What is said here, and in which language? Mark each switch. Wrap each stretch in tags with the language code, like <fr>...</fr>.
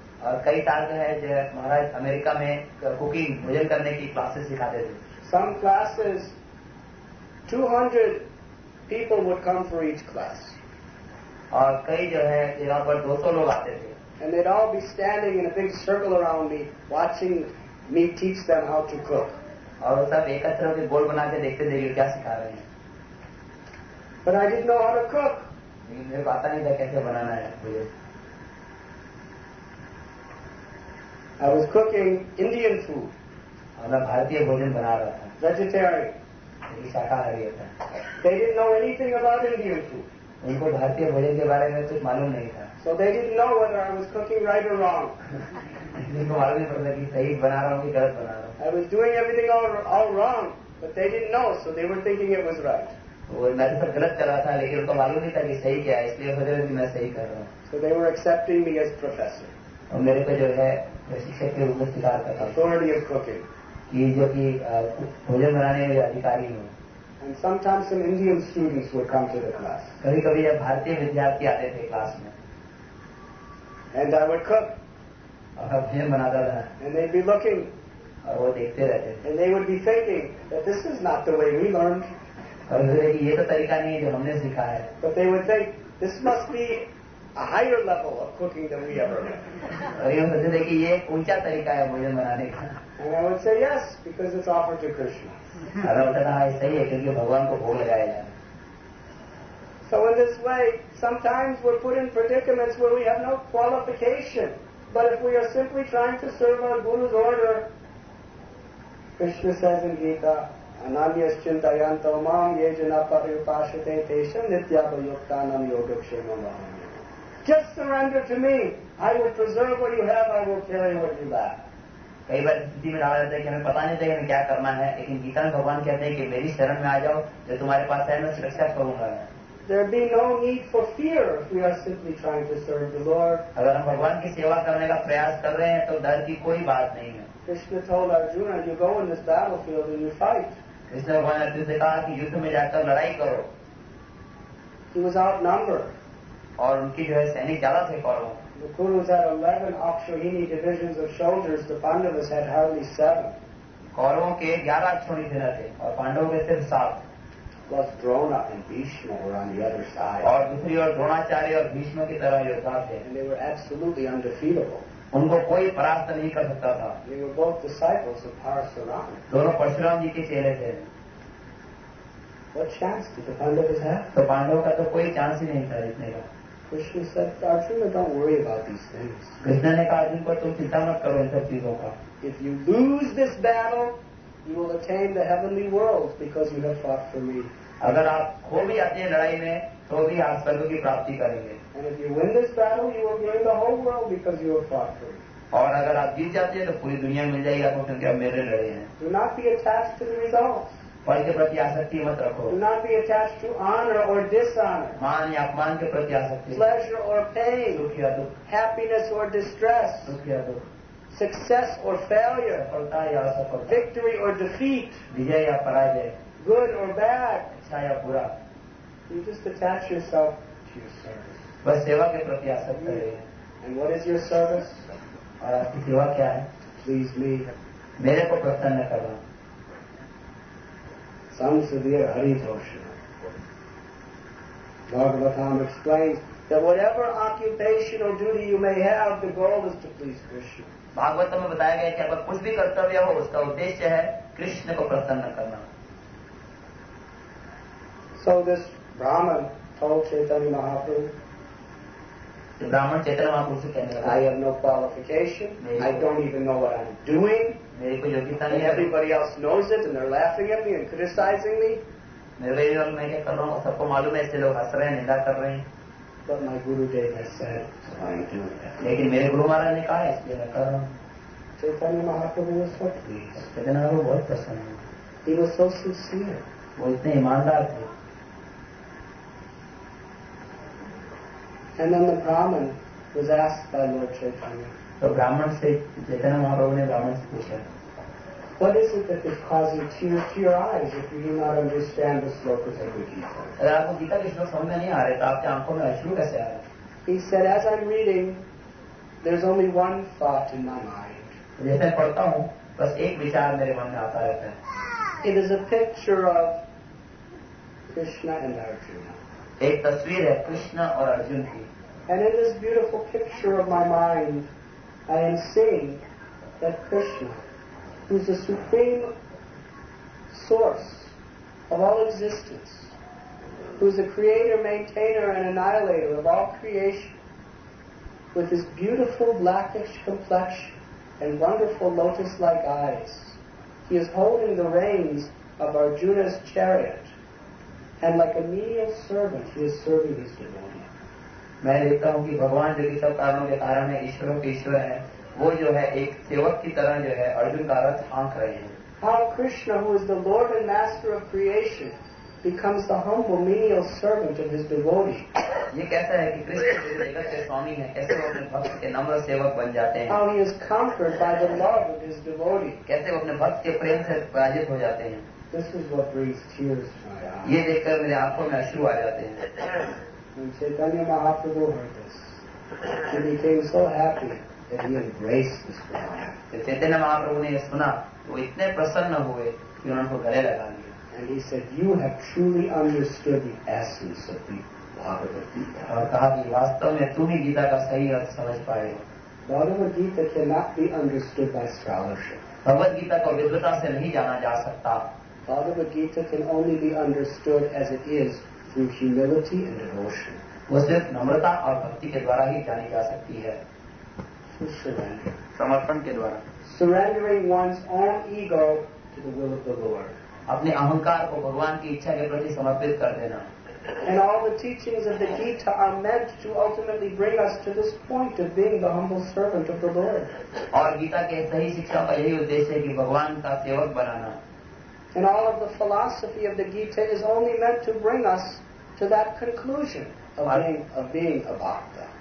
<hi>और कई साल जो है महाराज अमेरिका में कुकिंग भोजन करने की क्लासेस सिखाते थे.</hi> <en>Some classes 200 people would come for each class.</en> <hi>और कई जो है यहाँ पर 200 लोग आते थे.</hi> <en>And they'd all be standing in a big circle around me watching me teach them how to cook.</en> <hi>और सब एकत्र होकर गोल बना के देखते थे कि क्या सिखा रहे हैं.</hi> <en>But I didn't know how to cook.</en> <hi>मेरे को आता नहीं था कैसे बनाना है मुझे.</hi> <en>I was cooking Indian food.</en> <hi>और मैं भारतीय भोजन बना रहा था.</hi> <en>Vegetarian.</en> <hi>शाकाहारी था.</hi> <en>They didn't know anything about Indian food.</en> <hi>उनको भारतीय भोजन के बारे में कुछ मालूम नहीं था.</hi> <en>So they didn't know whether I was cooking right or wrong.</en> <hi>इनको मालूम नहीं पड़ता कि सही बना रहा हूँ कि गलत बना रहा हूँ.</hi> <en>I was doing everything all wrong, but they didn't know, so they were thinking it was right.</en> <hi>वो मैं तो गलत कर रहा था लेकिन उनको मालूम नहीं था कि सही क्या है इसलिए सोच रहे थे मैं सही कर रहा हूँ.</hi> <en>So they were accepting me as professor.</en> <hi>और मेरे को जो है प्रशिक्षक के रूप में स्वीकार करता था.</hi> <en>Authority of cooking.</en> <hi>कि जो कि भोजन बनाने में अधिकारी हूँ.</hi> <en>And sometimes some Indian students would come to the class.</en> <hi>कभी कभी यह भारतीय विद्यार्थी आते थे क्लास में.</hi> <en>And I would cook.</en> <hi>और मैं भोजन बनाता था.</hi> <en>And they'd be looking.</en> <hi>और वो देखते रहते थे.</hi> <en>And they would be thinking that this is not the way we learned.</en> <hi>और कि ये तो तरीका नहीं है जो हमने सीखा है.</hi> <en>But they would say, this must be a higher level of cooking than we ever had.</en> <hi>ये सोचते थे कि ये ऊंचा तरीका है भोजन बनाने का.</hi> <en>And I would say, yes, because it's offered to Krishna.</en> <hi>और मैं बोलता था सही है क्योंकि भगवान को भोग लगाया जाए.</hi> <en>So in this way, sometimes we're put in predicaments where we have no qualification. But if we are simply trying to serve our Guru's order, Krishna says in Gita,</en> <sa>अनान्यश चिंतायन्तो माम ये जना पर्युपाशते तेषां नित्याभियुक्तानां योगक्षेमम् वहामि.</sa> <en>Just surrender to me. I will preserve what you have. I will carry what you lack.</en> <hi>कई बार स्थिति में डाला जाता है कि हमें पता नहीं था कि हमें क्या करना है लेकिन गीता में भगवान कहते हैं कि मेरी शरण में आ जाओ जो तुम्हारे पास है मैं सुरक्षा करूंगा.</hi> <en>There be no need for fear if we are simply trying to serve the Lord.</en> <hi>अगर हम भगवान की सेवा करने का प्रयास कर रहे हैं तो डर की कोई बात नहीं है.</hi> <en>Krishna told Arjuna, you go in this battlefield and you fight.</en> <hi>Krishna भगवान अर्जुन से कहा कि युद्ध में जाकर लड़ाई करो.</hi> <en>He was outnumbered.</en> <hi>और उनकी जो है सैनिक ज्यादा थे कौरवों.</hi> <en>The Kurus had 11 Akshohini divisions of soldiers. The Pandavas had hardly 7.</en> <hi>कौरवों के 11 अक्षौहिणी सेना थे और पांडवों के सिर्फ 7.</hi> <en>plus Drona and Bhishma were on the other side.</en> <hi>और दूसरी ओर द्रोणाचार्य और भीष्म की तरह योद्धा थे.</hi> <en>And they were absolutely undefeatable.</en> <hi>उनको कोई परास्त नहीं कर सकता था.</hi> <en>They were both disciples of Parasurama.</en> <hi>दोनों परशुराम जी के चेले थे.</hi> <en>What chance did the Pandavas have?</en> <hi>तो पांडवों का तो कोई चांस ही नहीं था इतने का.</hi> <en>Krishna said, Arjuna, don't worry about these things.</en> <hi>Krishna ने कहा अर्जुन को तुम चिंता मत करो इन सब चीजों का.</hi> <en>If you lose this battle, you will attain the heavenly world because you have fought for me.</en> <hi>अगर आप खो भी जाते हैं लड़ाई में तो भी आप स्वर्ग की प्राप्ति करेंगे.</hi> <en>And if you win this battle, you will gain the whole world because you have fought for me.</en> <hi>और अगर आप जीत जाते हैं तो पूरी दुनिया मिल जाएगी आपको क्योंकि आप मेरे लड़े हैं.</hi> <en>Do not be attached to the results.</en> <hi>फल के प्रति आसक्ति मत रखो.</hi> <en>Do not be attached to honor or dishonor.</en> <hi>मान या अपमान के प्रति आसक्ति.</hi> <en>Pleasure or pain.</en> <hi>दुख या दुख.</hi> <en>Happiness or distress.</en> <hi>दुख या दुख.</hi> <en>Success or failure.</en> <hi>सफलता या असफलता.</hi> <en>Victory or defeat.</en> <hi>विजय या पराजय.</hi> <en>Good or bad.</en> <hi>अच्छा या बुरा.</hi> <en>You just attach yourself to your service.</en> <hi>बस सेवा के प्रति आसक्त रहे.</hi> <en>And what is your service?</en> <hi>और आपकी सेवा क्या है?</hi> <en>Please me.</en> <hi>मेरे को प्रसन्न करो.</hi> <sa>Samsudhir Hari Toshana.</sa> <en>Bhagavatam explains that whatever occupation or duty you may have, the goal is to please Krishna.</en> <hi>Bhagavatam में बताया गया कि अगर कुछ भी कर्तव्य हो उसका उद्देश्य है कृष्ण को प्रसन्न करना.</hi> <en>So this Brahman told Chaitanya Mahaprabhu.</en> <hi>तो ब्राह्मण चैतन्य महापुरुष से कहने लगा.</hi> <en>I have no qualification. I don't even know what I'm doing.</en> <hi>मेरी कोई योग्यता नहीं है.</hi> <en>Everybody else knows it and they're laughing at me and criticizing me.</en> <hi>मेरे लिए मैं क्या कर रहा हूँ सबको मालूम है ऐसे लोग हंस रहे हैं निंदा कर रहे हैं.</hi> <en>But my Gurudev has said, so I'm doing it.</en> <hi>लेकिन मेरे गुरु महाराज ने कहा इसलिए मैं कर रहा हूँ.</hi> <en>Chaitanya Mahaprabhu was so pleased.</en> <hi>Chaitanya Mahaprabhu बहुत प्रसन्न है.</hi> <en>He was so sincere.</en> <hi>वो इतने ईमानदार थे.</hi> <en>And then the Brahman was asked by Lord Chaitanya. So Brahman said,</en> <hi>Chaitanya Mahaprabhu ne Brahman se pucha.</hi> <en>What is it that is causing tears to your eyes if you do not understand the slokas of the Gita?</en> <hi>अगर आपको गीता कृष्ण समझ में नहीं आ रहे तो आपके आंखों में अश्रु कैसे आ रहे?</hi> <en>He said, as I'm reading, there's only one thought in my mind.</en> <hi>जैसे मैं पढ़ता हूँ बस एक विचार मेरे मन में आता रहता है.</hi> <en>It is a picture of Krishna and Arjuna.</en> <hi>एक तस्वीर है कृष्ण और अर्जुन की.</hi> <en>And in this beautiful picture of my mind, I am seeing that Krishna, who is the supreme source of all existence, who is the creator, maintainer, and annihilator of all creation, with his beautiful blackish complexion and wonderful lotus-like eyes, he is holding the reins of Arjuna's chariot. And like a menial servant, he is serving his devotee.</en> <hi>मैं देखता हूँ कि भगवान जो कि सब कारणों के कारण है ईश्वरों के ईश्वर है वो जो है एक सेवक की तरह जो है अर्जुन का रथ हांक रहे हैं.</hi> <en>How Krishna, who is the Lord and Master of creation, becomes the humble menial servant of his devotee.</en> <hi>ये कैसा है कि कृष्ण जो जगत के स्वामी है कैसे वो अपने भक्त के नम्र सेवक बन जाते हैं.</hi> <en>How he is conquered by the love of his devotee.</en> <hi>कैसे वो अपने भक्त के प्रेम से पराजित हो जाते हैं.</hi> <en>This is what brings tears to my eyes.</en> <hi>ये देखकर मेरे आंखों में अश्रु आ जाते हैं.</hi> <en>When Chaitanya Mahaprabhu heard this, he became so happy that he embraced this Brahman.</en> <hi>Chaitanya Mahaprabhu ने सुना तो इतने प्रसन्न हुए कि उन्होंने गले लगा लिया.</hi> <en>And he said, you have truly understood the essence of the Bhagavad Gita.</en> <hi>और कहा कि वास्तव में तुम ही गीता का सही अर्थ समझ पाए हो.</hi> <en>Bhagavad Gita cannot be understood by scholarship.</en> <hi>Bhagavad Gita को विद्वता से नहीं जाना जा सकता.</hi> <en>Bhagavad Gita can only be understood as it is through humility and devotion.</en> <hi>वो सिर्फ नम्रता और भक्ति के द्वारा ही जानी जा सकती है. समर्पण के द्वारा.</hi> <en>Surrendering one's own ego to the will of the Lord.</en> <hi>अपने अहंकार को भगवान की इच्छा के प्रति समर्पित कर देना.</hi> <en>And all the teachings of the Gita are meant to ultimately bring us to this point of being the humble servant of the Lord.</en> <hi>और गीता के सही शिक्षा का यही उद्देश्य है कि भगवान का सेवक बनाना.</hi> <en>And all of the philosophy of the Gita is only meant to bring us to that conclusion of being a bhakta.</en>